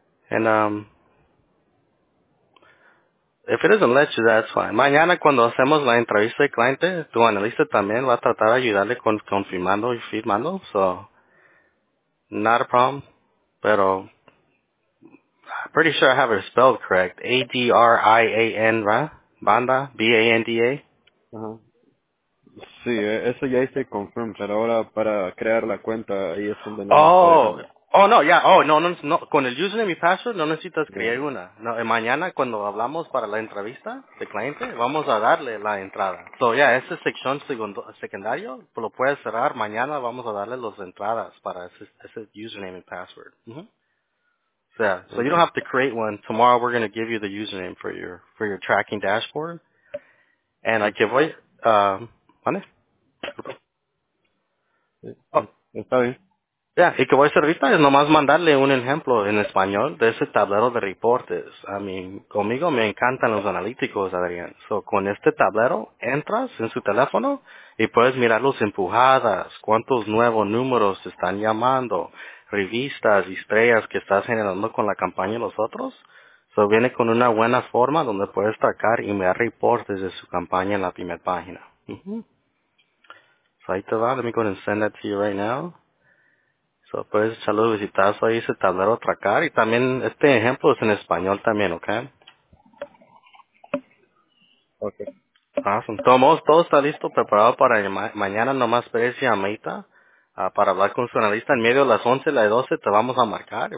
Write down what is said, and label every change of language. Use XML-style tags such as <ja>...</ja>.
<en>And if it doesn't let you, that's fine.</en> <es>Mañana cuando hacemos la entrevista de cliente, tu analista también va a tratar de ayudarle con confirmando y firmando.</es> <en>So, not a problem. Pero, pretty sure I have it spelled correct. Adrian, right? Banda, Banda. Ajá.</en> <es>Sí, eso ya hice confirm, pero ahora para crear la cuenta ahí es donde no puede cambiar. Oh, no, ya, oh, no, no, no, con el username y password no necesitas crear una. No, mañana cuando hablamos para la entrevista de cliente, vamos a darle la entrada. So, ya, esa sección secundario lo puedes cerrar. Mañana vamos a darle las entradas para ese username y password.</es> <en>So, yeah, so you don't have to create one. Tomorrow we're going to give you the username for your tracking dashboard. And I give away, ¿vale?</en> <es>Está bien. Ya, y que voy a hacer ahorita es nomás mandarle un ejemplo en español de ese tablero de reportes. A mí, conmigo me encantan los analíticos, Adrián. So, con este tablero entras en su teléfono y puedes mirar las empujadas, cuántos nuevos números te están llamando, revistas y estrellas que estás generando con la campaña y los otros. So, viene con una buena forma donde puedes sacar y mirar reportes de su campaña en la primera página.</es> <en>So,</en> <es>ahí te va.</es> <en>Let me go and send that to you right now.</en> <es>So, puedes echarle un vistazo ahí ese tablero tracar y también este ejemplo es en español también, ¿ok?</es> <en>Okay. Awesome.</en> <es>Todo está listo, preparado para mañana nomás esperes llamadita para hablar con su analista. En medio de las 11, las 12 te vamos a marcar.</es>